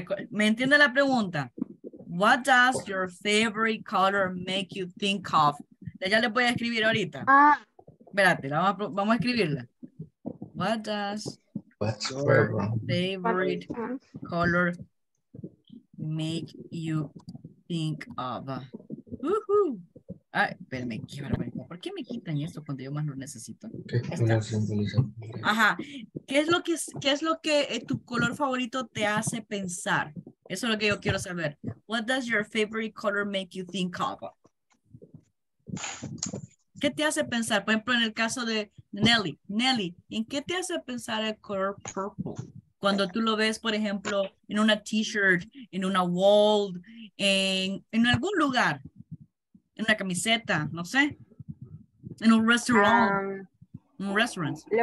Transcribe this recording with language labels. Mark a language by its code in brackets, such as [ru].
[es] ¿Me entiende la pregunta? [en] What does your favorite color make you think of? [es] Ya le voy a escribir ahorita. Espérate, vamos a escribirla. [en] What does favorite color make you think of? [es] Ay, espérame, qué barbaridad. ¿Por qué me quitan esto cuando yo más lo necesito? Ajá. ¿Qué es lo que tu color favorito te hace pensar? Eso es lo que yo quiero saber. [en] What does your favorite color make you think of? [es] ¿Qué te hace pensar? Por ejemplo, en el caso de Nelly. Nelly, ¿en qué te hace pensar el color purple? Cuando tú lo ves, por ejemplo, en una t-shirt, en una wall, en algún lugar, en una camiseta, no sé, en un restaurant, un restaurant.